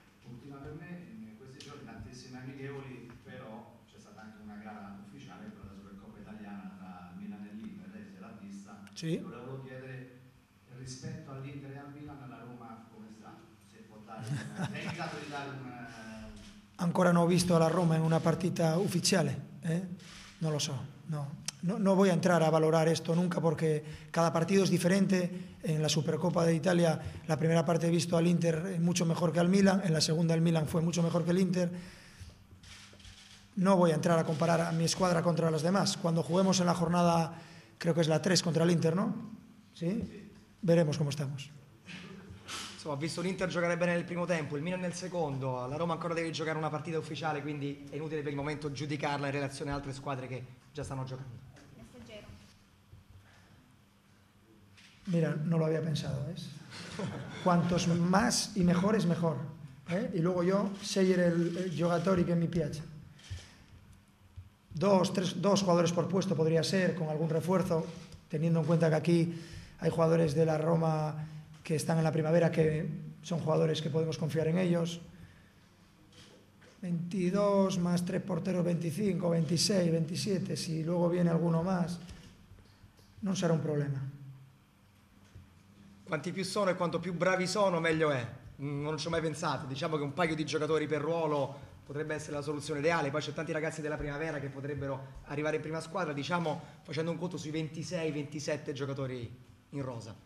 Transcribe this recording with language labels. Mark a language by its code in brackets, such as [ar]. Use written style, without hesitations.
[it] Ultima per me, in questi giorni tantissime amichevoli, però c'è stata anche una gara ufficiale per la Supercoppa italiana tra Milan e l'Inter, lei se l'ha vista. Sì. Volevo chiedere rispetto all'Inter e al Milan, la Roma come sta? Se può dare un... È in grado di dare un... Ancora non ho visto la Roma in una partita ufficiale, non lo so, no. [es] No, no voy a entrar a valorar esto nunca porque cada partido es diferente. En la Supercopa de Italia, la primera parte he visto al Inter mucho mejor que al Milan, en la segunda el Milan fue mucho mejor que el Inter. No voy a entrar a comparar a mi escuadra contra las demás. Cuando juguemos en la jornada, creo que es la 3 contra el Inter, ¿no? Sí. Veremos cómo estamos. [it] Ha visto l'Inter giocare bene nel primo tempo, il Milan nel secondo, la Roma ancora deve giocare una partita ufficiale, quindi è inutile per il momento giudicarla in relazione ad altre squadre che già stanno giocando. Messaggero. [es] Mira, non lo había pensado, ¿ves? Cuantos más y mejores, mejor. Y luego yo [it] sceglierei el giocatore che mi piace. [es] Dos jugadores por puesto podría ser, con algún refuerzo, teniendo en cuenta que aquí hay jugadores de la Roma que están en la primavera, que son jugadores que podemos confiar en ellos. 22 más 3 porteros, 25, 26, 27. Si luego viene alguno más, no será un problema. [it] Quanti più sono e quanto più bravi sono, meglio è. Non ci ho mai pensato. Diciamo che un paio di giocatori per ruolo potrebbe essere la soluzione ideale. Poi c'è tanti ragazzi della primavera che potrebbero arrivare in prima squadra, diciamo facendo un conto sui 26-27 giocatori in rosa.